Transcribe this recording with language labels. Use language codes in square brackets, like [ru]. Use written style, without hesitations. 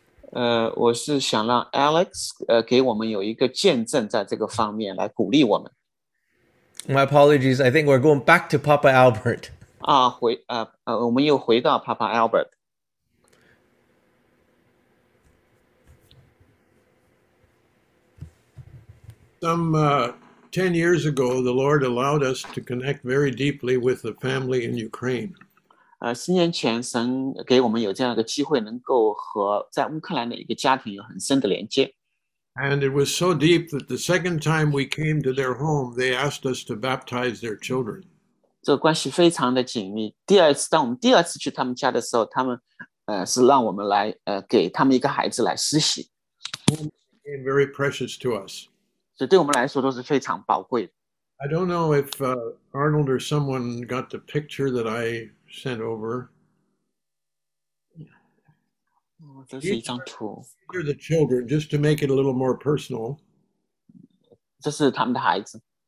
[zh] 我是想让 Alex 给我们有一个见证在这个方面来鼓励我们。 [en] My apologies, I think we're going back to Papa Albert. [zh] 我们又回到 Papa Albert. [en] Some, 10 years ago, the Lord allowed us to connect very deeply with a family in Ukraine. [zh] 十年前神给我们有这样的机会能够和在乌克兰的一个家庭有很深的连接。 [en] And it was so deep that the second time we came to their home, they asked us to baptize their children. [zh] 这个关系非常的紧密。第二次，当我们第二次去他们家的时候，他们是让我们来给他们一个孩子来施洗。 [en] Became very precious to us. [zh] 这对我们来说都是非常宝贵的。 [en] I don't know if Arnold or someone got the picture that I sent over. [zh] 这是一张图。 [en] These are the children, just to make it a little more personal. [zh] 这是他们的孩子。